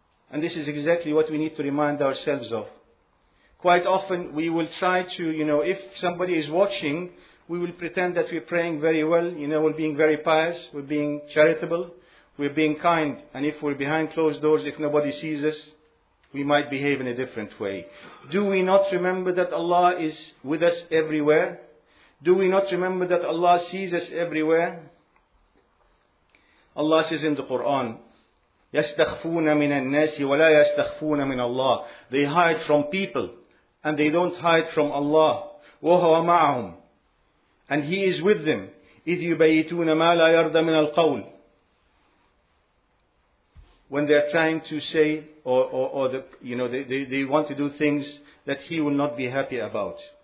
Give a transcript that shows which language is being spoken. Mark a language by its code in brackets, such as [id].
[en] And this is exactly what we need to remind ourselves of. Quite often we will try to, you know, if somebody is watching, we will pretend that we're praying very well, you know, we're being very pious, we're being charitable, we're being kind, and if we're behind closed doors, if nobody sees us, we might behave in a different way. Do we not remember that Allah is with us everywhere? Do we not remember that Allah sees us everywhere? Allah says in the Quran, [ar] يَسْتَخْفُونَ مِنَ النَّاسِ وَلَا يَسْتَخْفُونَ مِنَ اللَّهِ. [en] They hide from people, and they don't hide from Allah. [ar] وَهُوَ مَعَهُمْ. [en] And He is with them. [ar] إِذْ يُبَيِّتُونَ مَا لَا يَرْضَى مِنَ الْقَوْلِ. [en] When they are trying to say, they want to do things that He will not be happy about.